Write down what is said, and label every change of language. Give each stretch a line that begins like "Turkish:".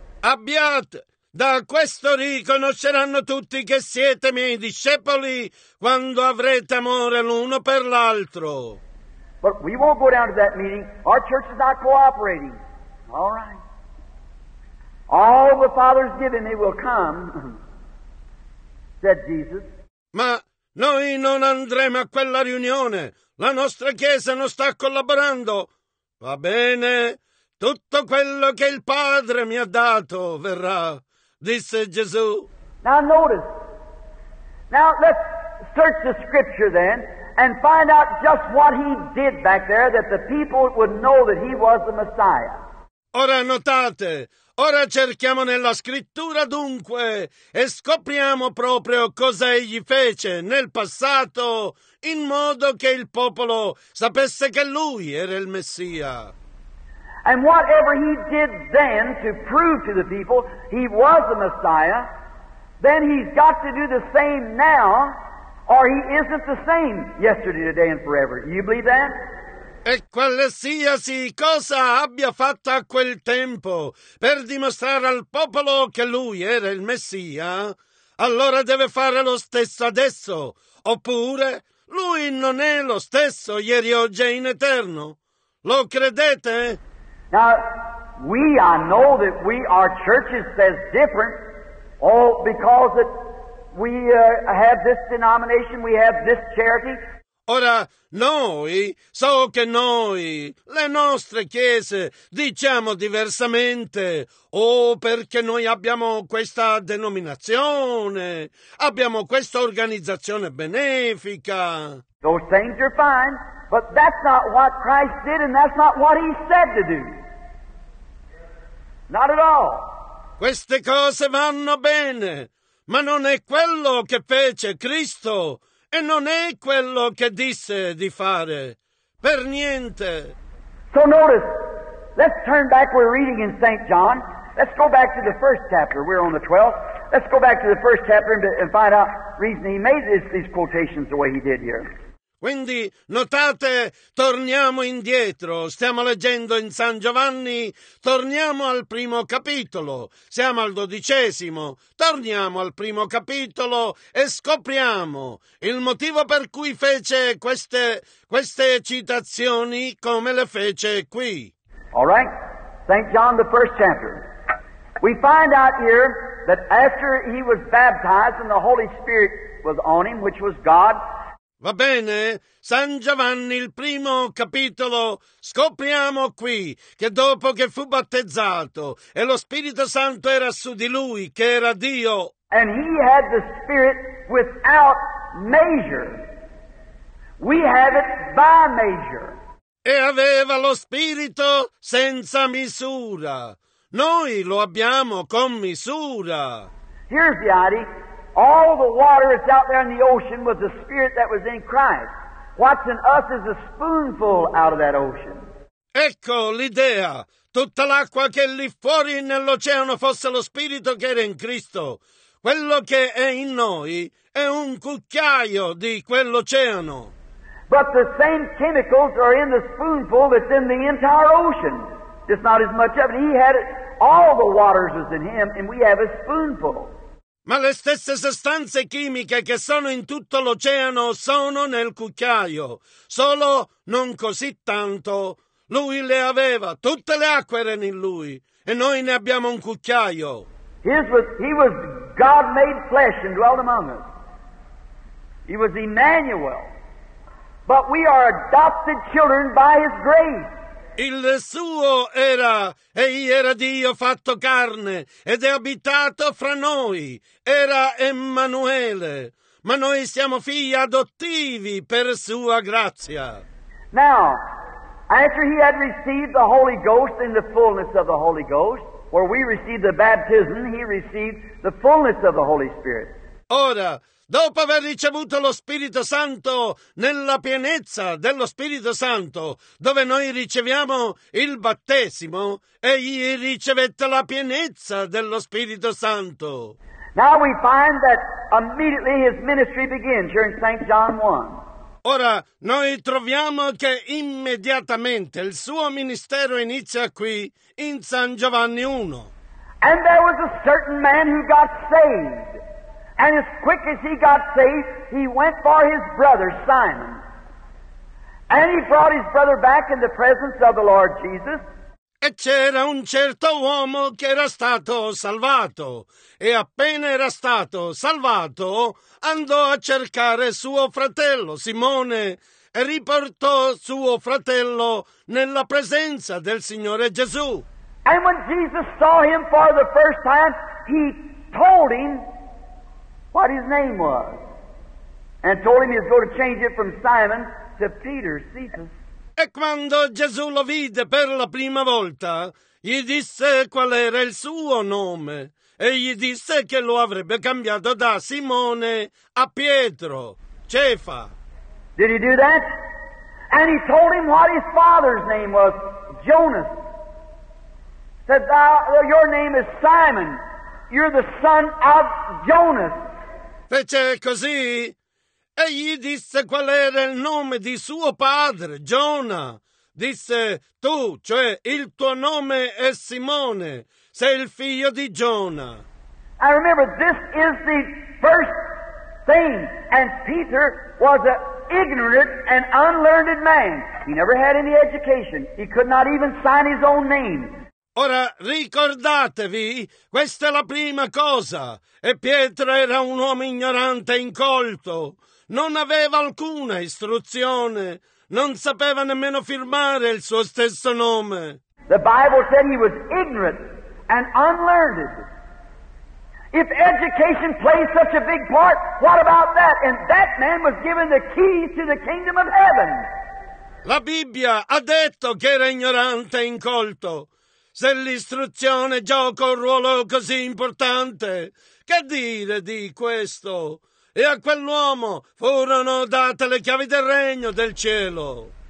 Italian: Abbiate, da questo riconosceranno tutti che siete miei discepoli quando avrete amore l'uno per l'altro.
English: But we won't go down to that meeting. Our church is not cooperating. All right. All the Father's given me will come, said Jesus.
Italian: Ma noi non andremo a quella riunione. La nostra chiesa non sta collaborando. Va bene, tutto quello che il Padre mi ha dato verrà, disse Gesù.
English: Now notice. Now let's search the scripture then and find out just what he did back there that the people would know that he was the Messiah.
Italian: Ora notate. Ora cerchiamo nella scrittura dunque e scopriamo proprio cosa egli fece nel passato in modo che il popolo sapesse che lui era il Messia.
English: And whatever he did then to prove to the people he was the Messiah, then he's got to do the same now or he isn't the same yesterday, today and forever. Do you believe that?
Italian: E qualsiasi cosa abbia fatto a quel tempo per dimostrare al popolo che lui era il Messia, allora deve fare lo stesso adesso, oppure lui non è lo stesso ieri, oggi e in eterno. Lo credete?
English: Now, I know that we, our churches says different, all because that we have this denomination, we have this charity.
Italian: Ora, noi, so che noi, le nostre chiese, diciamo diversamente, perché noi abbiamo questa denominazione, abbiamo questa organizzazione benefica.
English: Those things are fine, but that's not what Christ did and that's not what he said to do. Not at all.
Italian: Queste cose vanno bene, ma non è quello che fece Cristo. E non è quello che disse di fare, per niente.
English: So notice, let's turn back, we're reading in St. John. Let's go back to the first chapter, we're on the 12th. Let's go back to the first chapter and find out the reason he made these quotations the way he did here.
Italian: Quindi, notate, torniamo indietro. Stiamo leggendo in San Giovanni, torniamo al primo capitolo. Siamo al 12°, torniamo al primo capitolo e scopriamo il motivo per cui fece queste citazioni come le fece qui.
English: All right, St. John, the first chapter. We find out here that after he was baptized and the Holy Spirit was on him, which was God,
Italian: va bene, San Giovanni, il primo capitolo, scopriamo qui che dopo che fu battezzato e lo Spirito Santo era su di lui, che era Dio.
English: And he had the Spirit without measure. We have it by measure.
Italian: E aveva lo Spirito senza misura. Noi lo abbiamo con misura.
English: Here's the idea. All the water that's out there in the ocean was the Spirit that was in Christ. What's in us is a spoonful out of that ocean.
Italian: Ecco l'idea. Tutta l'acqua che lì fuori nell'oceano fosse lo Spirito che era in Cristo. Quello che è in noi è un cucchiaio di quell'oceano.
English: But the same chemicals are in the spoonful that's in the entire ocean. Just not as much of it. He had it, all the waters was in him, and we have a spoonful.
Italian: Ma le stesse sostanze chimiche che sono in tutto l'oceano sono nel cucchiaio. Solo non così tanto. Lui le aveva. Tutte le acque erano in lui. E noi ne abbiamo un cucchiaio.
English: He was God made flesh and dwelt among us. He was Emmanuel. But we are adopted children by his grace.
Italian: Il suo era, egli era Dio fatto carne, ed è abitato fra noi, era Emmanuele, ma noi siamo figli adottivi per sua grazia.
English: Now, after he had received the Holy Ghost in the fullness of the Holy Ghost, where we received the baptism, he received the fullness of the Holy Spirit.
Italian: Ora, dopo aver ricevuto lo Spirito Santo nella pienezza dello Spirito Santo, dove noi riceviamo il battesimo, egli ricevette la pienezza dello Spirito Santo.
English: Now we find that immediately his ministry begins here in St. John 1.
Italian: Ora, noi troviamo che immediatamente il suo ministero inizia qui in San Giovanni 1.
English: And there was a certain man who got saved. And as quick as he got saved, he went for his brother, Simon. And he brought his brother back in the presence of the Lord Jesus.
Italian: E c'era un certo uomo che era stato salvato. E appena era stato salvato, andò a cercare suo fratello, Simone, e riportò suo fratello nella presenza del Signore Gesù.
English: And when Jesus saw him for the first time, he told him what his name was, and told him he was going to change it from Simon to Peter, Cephas.
Italian: E quando Gesù lo vide per la prima volta, gli disse qual era il suo nome, e gli disse che lo avrebbe cambiato da Simone a Pietro, Cefa.
English: Did he do that? And he told him what his father's name was, Jonas. Said, your name is Simon, you're the son of Jonas.
Italian: Fece così, e gli disse qual era il nome di suo padre, Giona. Disse, tu, cioè, il tuo nome è Simone, sei il figlio di Giona.
English: I remember, this is the first thing, and Peter was an ignorant and unlearned man. He never had any education, he could not even sign his own name.
Italian: Ora, ricordatevi, questa è la prima cosa. E Pietro era un uomo ignorante e incolto. Non aveva alcuna istruzione. Non sapeva nemmeno firmare il suo stesso nome.
English: The Bible said he was ignorant and unlearned. If education plays such a big part, what about that? And that man was given the keys to the kingdom of heaven.
Italian: La Bibbia ha detto che era ignorante e incolto. Se l'istruzione gioca un ruolo così importante, che dire di questo? E a quell'uomo furono date le chiavi del regno del cielo.